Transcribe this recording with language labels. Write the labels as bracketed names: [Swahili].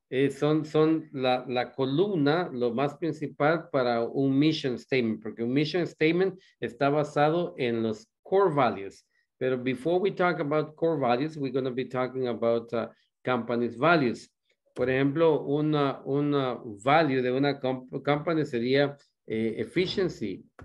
[Spanish] Son la columna, lo más principal para un mission statement, porque un mission statement está basado en los core values. [English] Pero before we talk about core values, we're going to be talking about company's values. [Spanish] Por ejemplo, una value de una company sería efficiency.